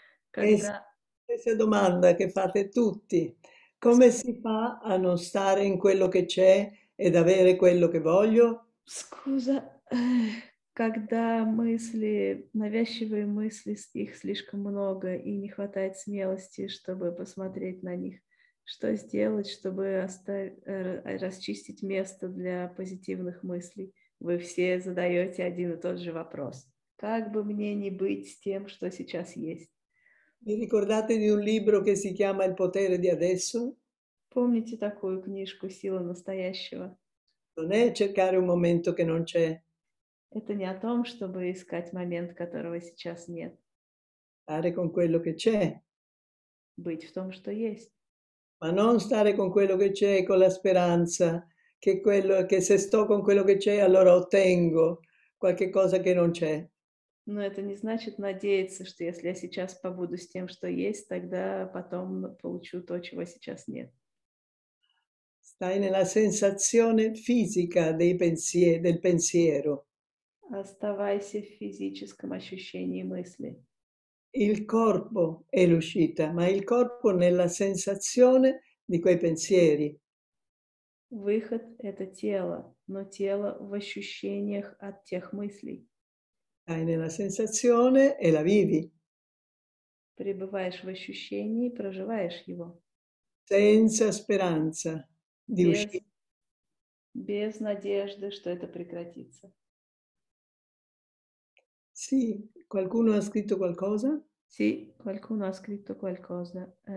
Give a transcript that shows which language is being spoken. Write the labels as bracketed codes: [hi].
[it] Questa domanda che fate tutti. Come si fa a non stare in quello che c'è ed avere quello che voglio? Scusa, [ru] когда мысли, навязчивые мысли, их слишком много и не хватает смелости, чтобы посмотреть на них, что сделать, чтобы расчистить место для позитивных мыслей? Вы все задаете один и тот же вопрос. Как бы мне не быть с тем, что сейчас есть? [it] Vi ricordate di un libro che si chiama Il potere di adesso? [ru] Помните такую книжку «Сила настоящего»? [it] Non è cercare un momento che non c'è. Stare [ru] Это не о том, чтобы искать момент, которого сейчас нет. [it] con quello che c'è. [ru] Быть в том, что есть. [it] Ma non stare con quello che c'è con la speranza che se sto con quello che c'è, allora ottengo qualche cosa che non c'è. [ru] Но это не значит надеяться, что если я сейчас побуду с тем, что есть, тогда потом получу то, чего сейчас нет. [it] Stai nella sensazione fisica dei pensieri, del pensiero. [ru] Оставайся в физическом ощущении мысли. [it] Il corpo è l'uscita, ma il corpo nella sensazione di quei pensieri. [ru] Выход – это тело, но тело в ощущениях от тех мыслей. [it] Stai nella sensazione e la vivi. [ru] Прибываешь в ощущении, проживаешь его. [it] Senza speranza. Di uscire. [ru] Без надежды, что это прекратится. [it] Sì, qualcuno ha scritto qualcosa? Sì, qualcuno ha scritto qualcosa.